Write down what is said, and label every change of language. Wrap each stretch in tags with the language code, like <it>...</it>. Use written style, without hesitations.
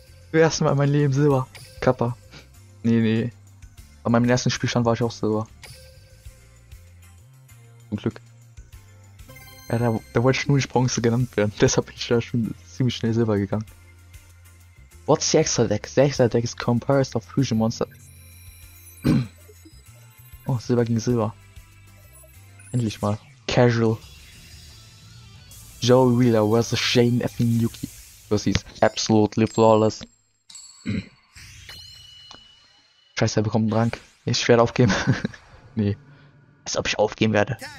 <de>Für erstes Mal in meinem Leben Silber. Kappa. Nee. Bei meinem ersten Spielstand war ich auch Silber. Zum Glück. Ja, da wollte ich nur nicht Bronze genannt werden. Deshalb bin ich da schon ziemlich schnell Silber gegangen.</de> <en>What's the extra deck? The extra deck is comprised of Fusion Monster.</en> <de>Oh, Silber gegen Silber. Endlich mal. Casual. Joey Wheeler vs.</de> <en>Shane effing Yuki. Because he's absolutely flawless.</en> <de>Scheiße, er bekommt einen Rank. Ich werde aufgeben. Nee. Als ob ich aufgeben werde.</de>